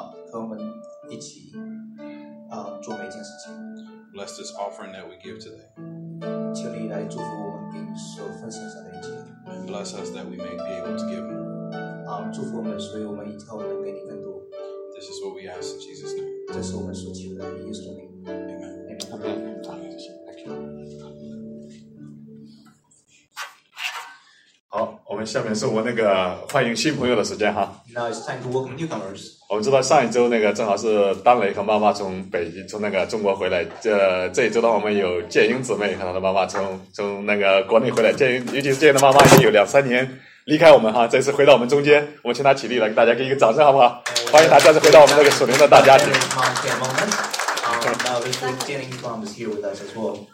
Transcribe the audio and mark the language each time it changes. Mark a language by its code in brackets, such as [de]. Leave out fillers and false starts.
[zh] 和我们一起做每件事情。 [en] Bless this offering that we give today. [zh] 请你来祝福我们给你所奉献上的一切。 [en] And bless us that we may be able to give. [zh] 祝福我们，所以我们以后能给你更多。 [en] This is what we ask in Jesus' name. [zh] 这是我们所祈求的，耶稣的名。 [en] Amen. Amen. Thank you. Thank you. [zh] 好，我们下面是我那个欢迎新朋友的时间哈。 [en] Now it's time to welcome newcomers. [zh] 我们知道上一周那个正好是丹雷和妈妈从北京从那个中国回来，这一周的话我们有建英姊妹和她的妈妈从那个国内回来，建英的妈妈已经有两三年离开我们哈，这次回到我们中间，我们请她起立来给大家给一个掌声好不好？欢迎她再次回到我们那个属灵的大家庭。 [en] Now this is Jenny Plum is here with us as well.